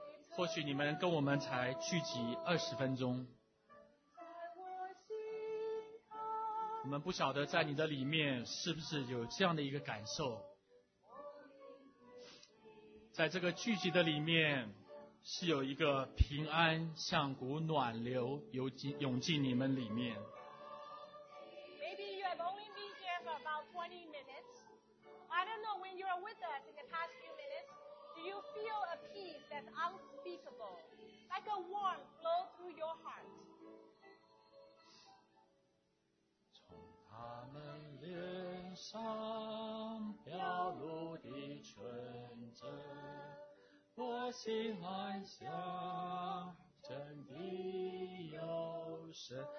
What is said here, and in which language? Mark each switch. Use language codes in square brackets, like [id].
[zh] 或许你们跟我们才聚集20分钟，我们不晓得在你的里面是不是有这样的一个感受，在这个聚集的里面是有一个平安像股暖流涌进你们里面。 [en] Maybe you have only been here for about 20 minutes. I don't know, when you are with us in the past few minutes, do you feel a peace that's unspeakable, like a warmth flow through your heart? [zh] 他们脸上表露的纯真，我心还想真的有神。